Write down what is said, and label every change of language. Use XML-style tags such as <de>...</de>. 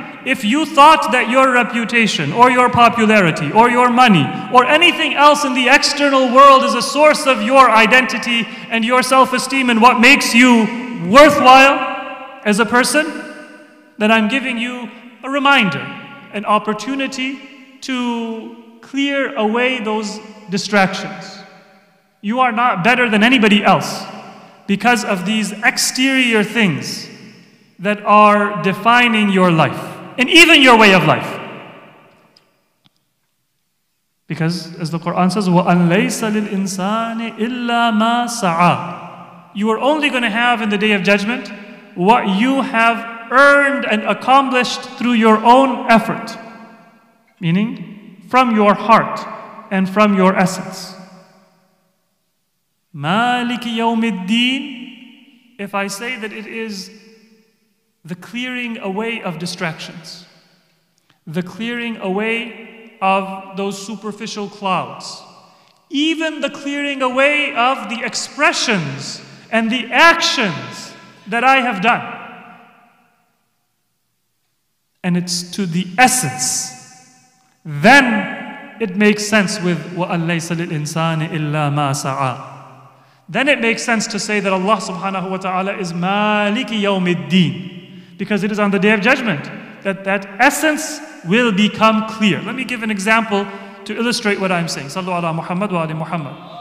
<en>If you thought that your reputation or your popularity or your money or anything else in the external world is a source of your identity and your self-esteem and what makes you worthwhile as a person, then I'm giving you a reminder, an opportunity to clear away those distractions. You are not better than anybody else because of these exterior things that are defining your life and even your way of life. Because as the Quran says,</en> <ar>وَأَن لَيْسَ لِلْإِنسَانِ إِلَّا مَا سَعَى.</ar> <en>You are only going to have in the Day of Judgment what you have earned and accomplished through your own effort, meaning from your heart and from your essence.</en> <ar>Maliki Yawmiddin,</ar> <en>if I say that it is the clearing away of distractions, the clearing away of those superficial clouds, even the clearing away of the expressions and the actions that I have done. And it's to the essence. Then it makes sense with</en> <ar>وَأَن لَيْسَ لِلْإِنسَانِ إِلَّا مَا سَعَى.</ar> <en>Then it makes sense to say that Allah subhanahu wa ta'ala is</en> <ar>مَالِكِ يَوْمِ الدِّينِ,</ar> <en>because it is on the Day of Judgment that that essence will become clear. Let me give an example to illustrate what I'm saying.</en> <ar>صَلُّوا عَلَى مُحَمَّدْ وَعَلِ مُحَمَّدْ.</ar>